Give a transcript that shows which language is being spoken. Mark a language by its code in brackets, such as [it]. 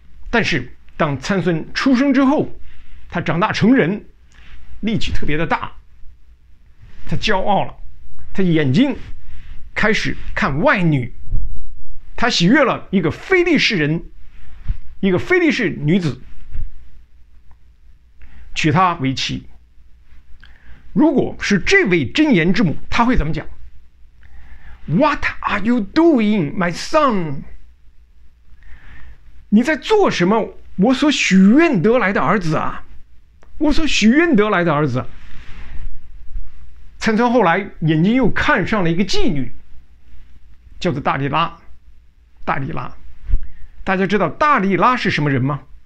[zh] 但是当参孙出生之后，他长大成人，力气特别的大，他骄傲了，他眼睛开始看外女，他喜悦了一个非利士人，一个非利士女子，娶她为妻。如果是这位真言之母，他会怎么讲？ [en] What are you doing, my son? [zh] 你在做什么，我所许愿得来的儿子啊，我所许愿得来的儿子。参孙后来眼睛又看上了一个妓女，叫做大力拉。大力拉，大家知道大力拉是什么人吗？